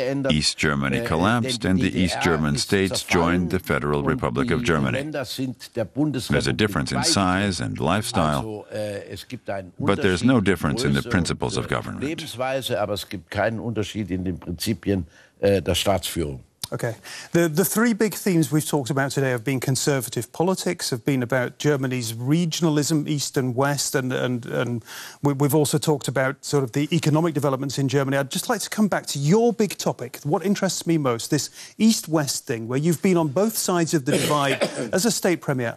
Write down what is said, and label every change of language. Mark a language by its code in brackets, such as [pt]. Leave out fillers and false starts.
[en] East Germany collapsed, and the East German states joined the Federal Republic of Germany. There's a difference in size and lifestyle, but there's no difference in the principles of government. [de] Lebensweise, aber es gibt keinen Unterschied in den Prinzipien der Staatsführung. [en] Okay. The three big themes we've talked about today have been conservative politics, have been about Germany's regionalism, East and West, and we've also talked about sort of the economic developments in Germany. I'd just like to come back to your big topic, what interests me most, this East-West thing, where you've been on both sides of the divide as a state premier.